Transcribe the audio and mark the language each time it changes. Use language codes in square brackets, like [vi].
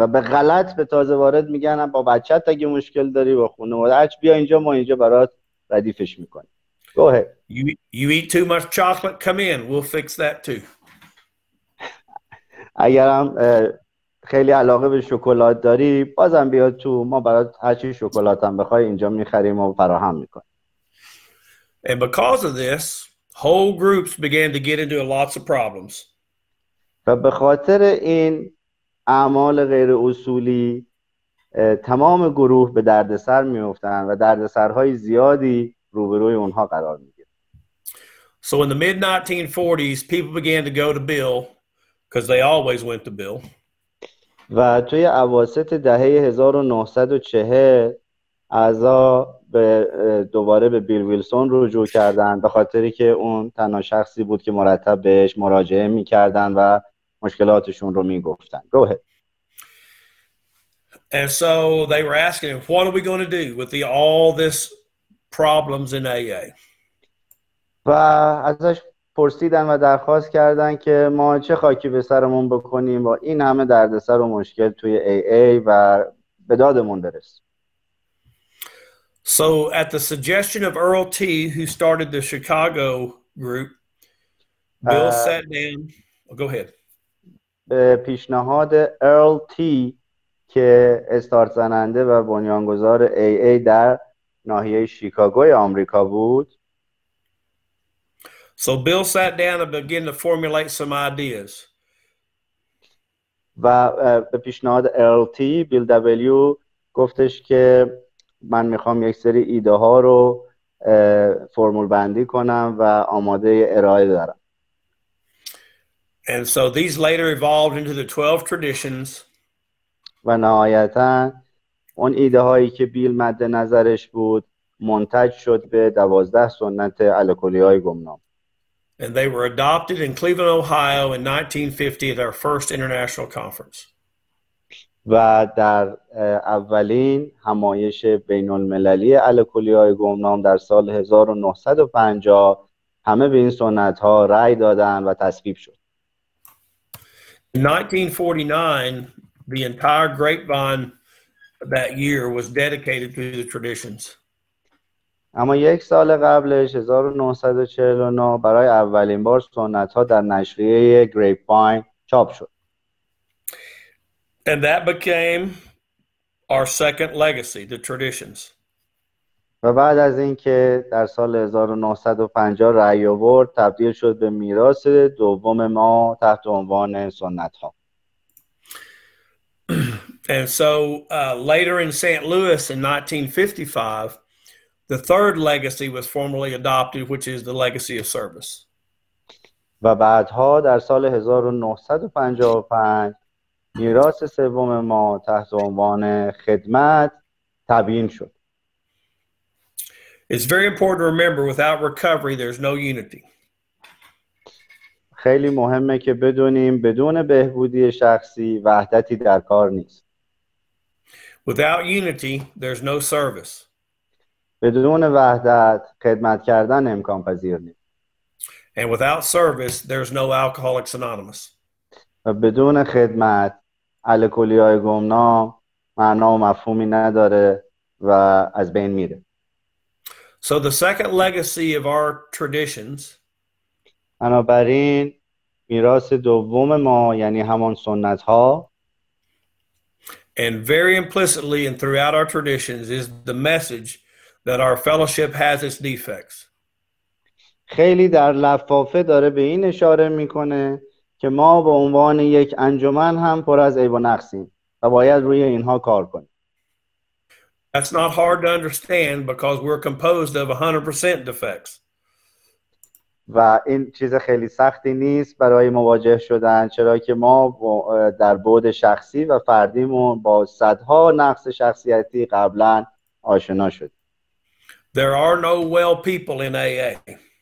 [fa] و به غلط به تازه وارد میگن با بچه تا اگه مشکل داری با خانواده اچ بیا اینجا ما اینجا برات ردیفش میکنیم. [en] Go ahead. You eat too much chocolate? Come in. We'll fix that too. [fa] اگرم خیلی علاقه به شکلات داری بازم بیا تو ما برات هر چی شکلات هم بخوای اینجا میخریم و فراهم میکنیم. [en] And because of this, whole groups began to get into lots of problems. [fa] و به خاطر این اعمال غیر اصولی تمام گروه به دردسر میافتند و دردسرهای زیادی روبروی اونها قرار میگیرند. [en] So in the mid 1940s, people began to go to Bill because they always went to Bill. [fa] و توی اواسط دهه 1940 اعضا به دوباره به بیل ویلسون رجوع کردند به خاطری که اون تنها شخصی بود که مرتب بهش مراجعه میکردند و مشکلاتشون رو میگفتند. [en] Go ahead. And so they were asking him, what are we going to do with all this problems in AA? [fa] و ازش پرسیدن و درخواست کردن که ما چه خاکی به سرمون بکنیم با این همه دردسر و مشکل توی AA و به دادمون برسیم. [en] So at the suggestion of Earl T, who started the Chicago group, Bill sat down. Oh, go ahead. [fa] به پیشنهاد Earl T که استارت زننده و بنیانگذار AA در ناحیه شیکاگوی آمریکا بود. [en] So Bill sat down and began to formulate some ideas. [fa] و به پیشنهاد Earl T, Bill W گفتش که من میخوام یک سری ایده ها رو فرمول بندی کنم و آماده ارائه دارم. [en] And so these later evolved into the 12 traditions. [fa] و نهایتا اون ایده هایی که بیل مد نظرش بود منتج شد به 12 سنت الکلی های گمنام. [en] And they were adopted in Cleveland, Ohio in 1950 at our first international conference. [fa] و در اولین همایش بین المللی الکلی های گمنام در سال 1950 همه به این سنت ها رأی دادن و تصویب شد. [en] In 1949, the entire grapevine that year was dedicated to the traditions. [fa] اما یک سال قبلش 1949 برای اولین بار سنت ها در نشریه گریپ‌واین چاپ شد. [en] And that became our second legacy, the traditions. [fa] و بعد از اینکه در سال 1950 رأی آورد تبدیل شد به میراث دوم ما تحت عنوان سنت ها. [en] And so later in St. Louis in 1955, the third legacy was formally adopted, which is the legacy of service. [fa] و بعدها در سال 1955 میراث سوم ما تحت عنوان خدمت تبیین شد. [en] It's very important to remember without recovery there's no unity. [fa] خیلی مهمه که بدونیم بدون بهبودی شخصی وحدتی در کار نیست. [en] Without unity there's no service. [fa] بدون وحدت خدمت کردن امکان پذیر نیست. [en] And without service there's no Alcoholics Anonymous. [fa] و بدون خدمت الکلی های گمنام معنا و مفهومی نداره و از بین میره. [en] So the second legacy of our traditions, [fa] بنابراین میراث دوم ما یعنی همان سنت ها [en] and very implicitly and throughout our traditions is the message that our fellowship has its defects. [fa] خیلی در لفافه داره به این اشاره میکنه که ما به عنوان یک انجمن هم پر از عیب و نقصیم و باید روی اینها کار کنیم. [en] That's not hard to understand because we're composed of 100% defects. [fa] و این چیز خیلی سختی نیست برای مواجه شدن، چرا که ما در بعد شخصی و فردیمون با صدها نقص شخصیتی قبلا آشنا شدیم. [en] There are no well people in AA.